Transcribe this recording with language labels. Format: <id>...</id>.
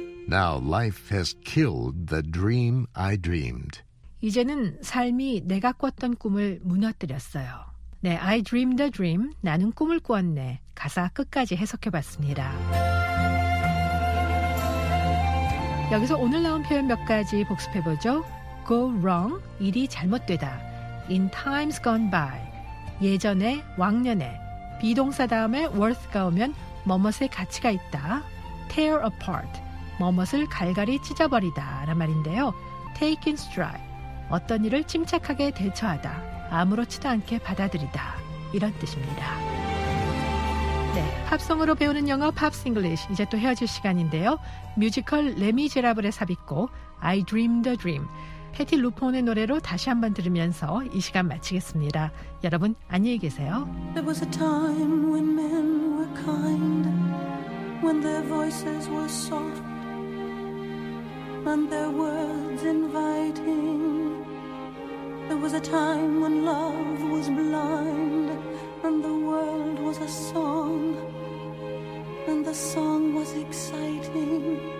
<en>Now life has killed the dream I dreamed.</en> <ko>이제는 삶이 내가 꿨던 꿈을 무너뜨렸어요. 네, I dreamed a dream. 나는 꿈을 꾸었네. 가사 끝까지 해석해봤습니다. 여기서 오늘 나온 표현 몇 가지 복습해보죠. Go wrong, 일이 잘못되다.</ko> <en>In times gone by,</en> <ko>예전에, 왕년에. 비동사 다음에 worth가 오면 뭐뭇의 가치가 있다. Tear apart, 뭐뭇을 갈갈이 찢어버리다 라는 말인데요. Take in stride, 어떤 일을 침착하게 대처하다, 아무렇지도 않게 받아들이다, 이런 뜻입니다. 네, 팝송으로 배우는 영어 팝스 잉글리시, 이제 또 헤어질 시간인데요. 뮤지컬 레미제라블의 삽입곡 I Dreamed a Dream, 패티 루폰의 노래로 다시 한번 들으면서 이 시간 마치겠습니다. 여러분 안녕히 계세요.</ko> <en>There was a time when men were kind, when their voices were soft, and their words inviting. There was a time when love was blind, and the world was a song, and the song was exciting.</en>